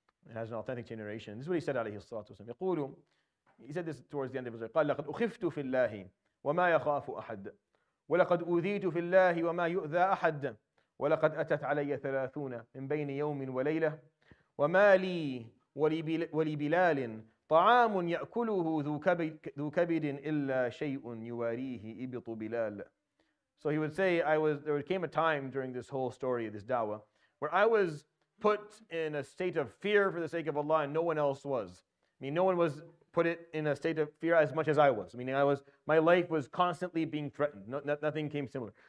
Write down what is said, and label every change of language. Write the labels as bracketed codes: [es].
[en] and has an authentic chain narration. This is what he said, alayhi salatu wasalam. يقول, he said this towards the end of his life. [ar] قال لقد أخفت في الله وما يخاف أحد ولقد أذيت في الله وما يؤذى أحد ولقد أتت علي ثلاثون من بين يوم وليلة وما لي ولبلال طعام يأكله ذو كبد إلا شيء يواريه إبط بلال. [en] So he would say, there came a time during this whole story, this da'wah, where I was put in a state of fear for the sake of Allah, and no one else was. I mean, no one was put it in a state of fear as much as I was. Meaning my life was constantly being threatened. Nothing came similar.